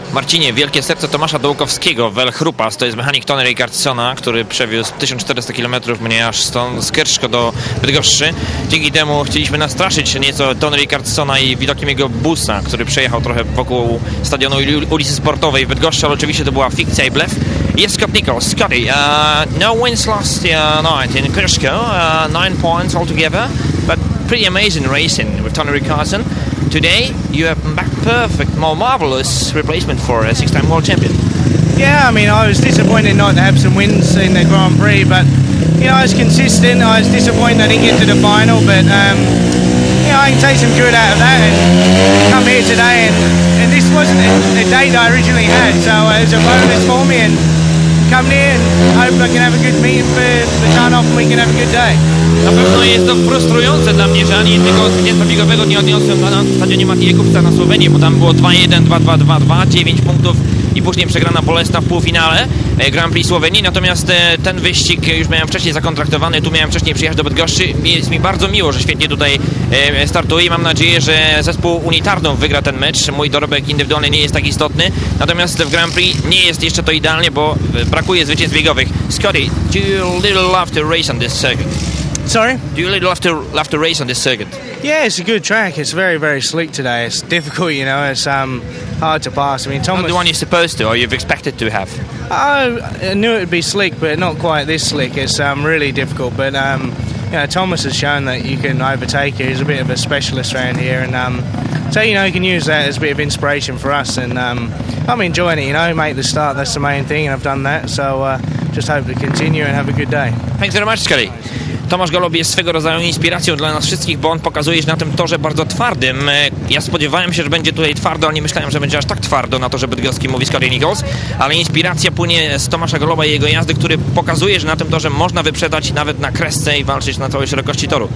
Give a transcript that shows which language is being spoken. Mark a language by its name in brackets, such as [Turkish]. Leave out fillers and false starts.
[Polish] Marcinie, wielkie serce Tomasza Dołkowskiego, Welchrupas, to jest mechanik Tony Richardsona, który przewiózł 1400 km mnie aż stąd z Kerszko do Bydgoszczy. Dzięki temu chcieliśmy nastraszyć się nieco Tony Richardsona i widokiem jego busa, który przejechał trochę wokół stadionu ulicy Sportowej w Bydgoszczy, ale oczywiście to była fikcja i blef. Jest Scott Nichols. [English] Scotty, no wins last night in Kerszko, 9 points altogether, but pretty amazing racing with Tony Richardson. Today you have back perfect, more marvelous replacement for a six-time world champion. Yeah, I mean, I was disappointed not to have some wins in the Grand Prix, but, you know, I was consistent. I was disappointed I didn't get to the final, but, you know, I can take some good out of that and come here today. And this wasn't the date I originally had, so it was a bonus for me. And come here and hope I can have a good meeting for the turn-off and we can have a good day. [Polish] Na pewno jest to frustrujące dla mnie, że ani tego 20-ligowego nie odniosłem na stadionie Matija Kupca na Słowenii, bo tam było 2-1, 2-2-2-2, 9 punktów i później przegrana bolesna w półfinale Grand Prix Słowenii. Natomiast ten wyścig już miałem wcześniej zakontraktowany, tu miałem wcześniej przyjechać do Bydgoszczy. Jest mi bardzo miło, że świetnie tutaj startuję i mam nadzieję, że zespół Unitarnów wygra ten mecz. Mój dorobek indywidualny nie jest tak istotny. Natomiast w Grand Prix nie jest jeszcze to idealnie, bo brakuje zwycięstw biegowych. [English] Scotty, do you little love to race on this circuit? Sorry? Do you love to race on this circuit? Yeah, it's a good track. It's very, very slick today. It's difficult, you know. It's hard to pass. I mean, Thomas... Not the one you're supposed to or you've expected to have? I knew it would be slick, but not quite this slick. It's really difficult. But, you know, Thomas has shown that you can overtake it. He's a bit of a specialist around here. And so, you know, you can use that as a bit of inspiration for us. And I'm enjoying it, you know. Make the start, that's the main thing, and I've done that. So just hope to continue and have a good day. Thanks very much, Scotty. [Polish] Tomasz Golob jest swego rodzaju inspiracją dla nas wszystkich, bo on pokazuje się na tym torze bardzo twardym. Ja spodziewałem się, że będzie tutaj twardo, ale nie myślałem, że będzie aż tak twardo na torze bydgoskim, mówi Scotty Nichols. Ale inspiracja płynie z Tomasza Goloba i jego jazdy, który pokazuje, że na tym torze można wyprzedać nawet na kresce i walczyć na całej szerokości toru.